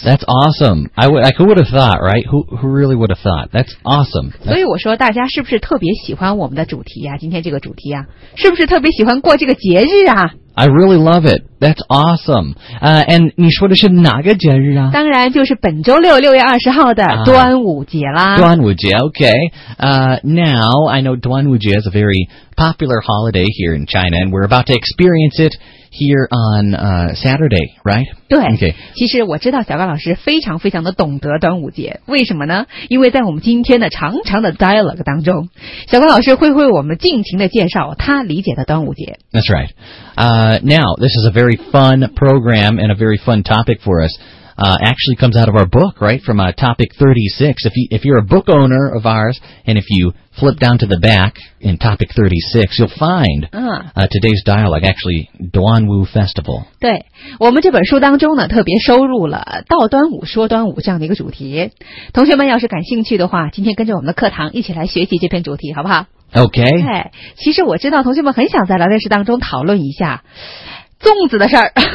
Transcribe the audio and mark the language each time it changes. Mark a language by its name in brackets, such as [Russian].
[English] That's awesome. Who would have thought, right? Who really would have thought? That's awesome. [Chinese] 所以我说，大家是不是特别喜欢我们的主题呀、啊？今天这个主题呀、啊，是不是特别喜欢过这个节日啊？ [English] I really love it. That's awesome. And [Chinese] 你说的是哪个节日啊？当然就是本周六6月20号的端午节啦。端午节 ，okay. [English] Now I know 端午节is a very popular holiday here in China, and we're about to experience it here on Saturday, right? [Chinese] 对。Okay. 其实我知道小高老师非常非常的懂得端午节，为什么呢？因为在我们今天的长长的 dialogue 当中，小高老师会为我们尽情的介绍他理解的端午节。 [English] That's right. Now, this is a very fun program and a very fun topic for us. Actually comes out of our book, right? From topic 36. If you're a book owner of ours, and if you flip down to the back in topic 36, you'll find today's dialogue, actually, Duan Wu Festival. [Chinese] 对，我们这本书当中呢，特别收入了到端午说端午这样的一个主题。同学们要是感兴趣的话，今天跟着我们的课堂一起来学习这篇主题，好不好？ [English] Okay. [Chinese] 对，其实我知道同学们很想在聊天室当中讨论一下粽子的事儿。